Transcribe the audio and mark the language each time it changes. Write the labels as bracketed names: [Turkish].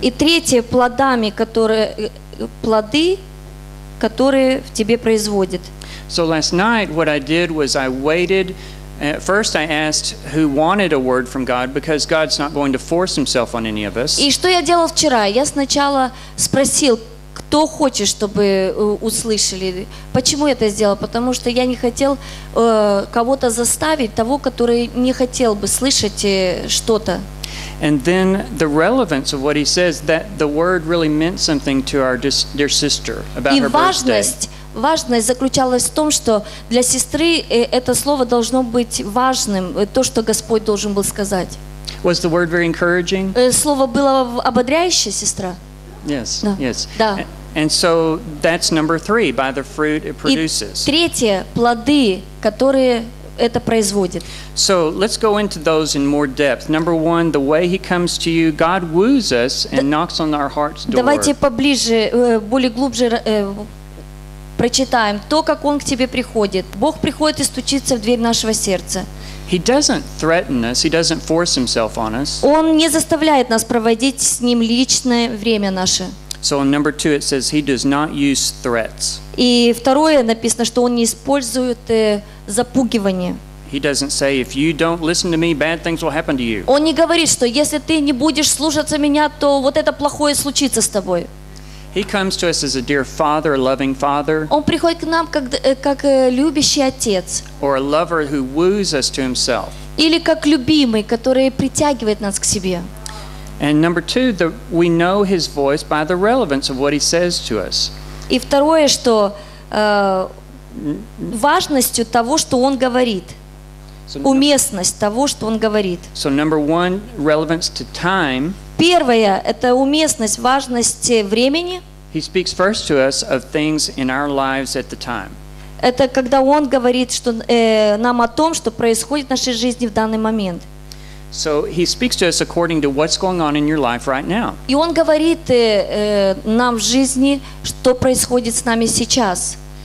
[Russian] И третье, плодами, которые плоды, которые в тебе производит. [English] So last night what I did was I waited. At first I asked who wanted a word from God because God's not going to force Himself on any of us. [Russian] И что я делал вчера? Я сначала спросил. Кто хочет, чтобы услышали? Почему я это сделал? Потому что я не хотел кого-то заставить, того, который не хотел бы слышать что-то. [English] And then the relevance of what he says, that the word really meant something to our dear sister about her birthday. [Russian] Важность заключалась в том, что для сестры это слово должно быть важным, то, что Господь должен был сказать. [English] Was the word very encouraging? [Russian] Слово было ободряющее, сестра? [English] Yes. [Russian] Да. [English] Yes. [Russian] Да. [English] And so that's number three. By the fruit it produces. [Russian] И третье, плоды, которые это производит. [English] So let's go into those in more depth. Number one, the way He comes to you, God woos us and knocks on our heart's door. [Russian] Давайте поближе, более глубже прочитаем. То, как Он к тебе приходит. Бог приходит и стучится в дверь нашего сердца. [English] He doesn't threaten us. He doesn't force Himself on us. [Russian] Он не заставляет нас проводить с Ним личное время наше. [English] So on number two it says He does not use threats. [Russian] И второе написано, что Он не использует запугивание. [English] He doesn't say if you don't listen to me, bad things will happen to you. [Russian] Он не говорит, что если ты не будешь слушаться меня, то вот это плохое случится с тобой. [English] He comes to us as a dear father, a loving father. [Russian] Он приходит к нам как любящий отец. [English] Or a lover who woos us to himself. [Russian] Или как любимый, который притягивает нас к себе. [English] And number two, that we know his voice by the relevance of what he says to us. [Russian] И второе, что важностью того, что он говорит. Уместность того, что он говорит. [English] So number one, relevance to time. [Russian] Первое, это уместность, важность времени. [English] He speaks first to us of things in our lives at the time. [Russian] Это когда он говорит что, нам о том, что происходит в нашей жизни в данный момент. [English] So he speaks to us according to what's going on in your life right now. [Russian] И он говорит нам в жизни, что происходит с нами сейчас.